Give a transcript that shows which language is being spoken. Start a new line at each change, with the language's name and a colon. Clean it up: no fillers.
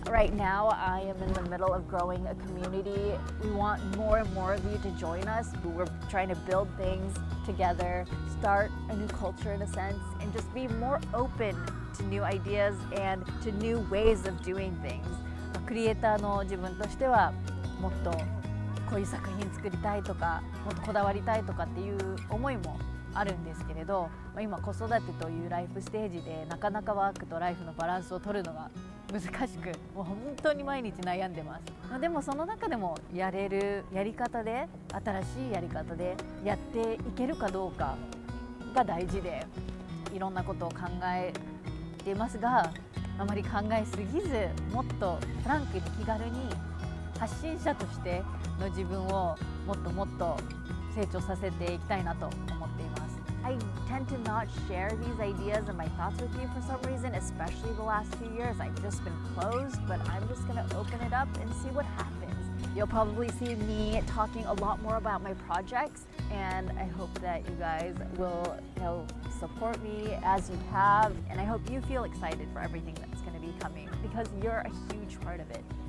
English: Right now, I am in the middle of growing a community. We want more and more of you to join us. We're trying to build things together, start a new culture in a sense, and just be more open. To new ideas and to new ways of doing things.
Japanese: クリエイターの自分としてはもっとこういう作品作りたいとかもっとこだわりたいとかっていう思いもあるんですけれど、まあ、今子育てというライフステージでなかなかワークとライフのバランスを取るのが難しく、もう本当に毎日悩んでます。まあ、でもその中でもやれるやり方で、新しいやり方でやっていけるかどうかが大事で、いろんなことを考えていますが、あまり考えすぎずもっとフランクに気軽に発信者としての自分をもっともっと成長させていきたいなと思っています。
English: I tend to not share these ideas and my thoughts with you for some reason, especially the last few years. I've just been closed, but I'm just gonna open it up and see what happens. You'll probably see me talking a lot more about my projects, and I hope that you guys will knowSupport me as you have, and I hope you feel excited for everything that's going to be coming because you're a huge part of it.